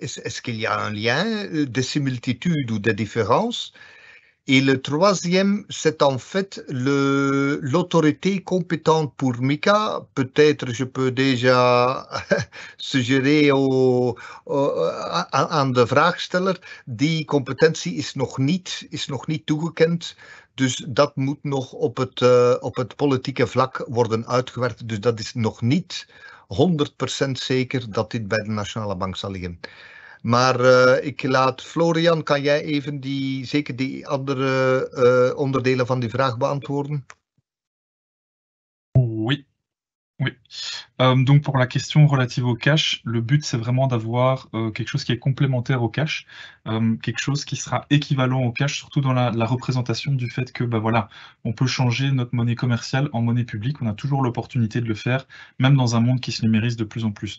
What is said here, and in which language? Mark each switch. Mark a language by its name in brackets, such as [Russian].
[French] Est-ce qu'il y a un lien de similitude ou de différence? Et le troisième, c'est en fait l'autorité compétente pour MiCA. Peut-être je peux déjà suggérer [Dutch] aan de vraagsteller. Die competentie is nog niet toegekend. Dus dat moet nog op het politieke vlak worden uitgewerkt. Dus dat is nog niet 100% zeker dat dit bij de Nationale Bank zal liggen. Maar ik laat Florian, kan jij even zeker die andere onderdelen van die vraag beantwoorden? [French] Oui. Oui. Donc pour la question relative au cash, le but c'est vraiment d'avoir quelque chose qui est complémentaire au cash, quelque chose qui sera équivalent au cash, surtout dans la représentation du fait que bah voilà, on peut changer notre monnaie commerciale en monnaie publique, on a toujours l'opportunité de le faire, même dans un monde qui se numérise de plus en plus.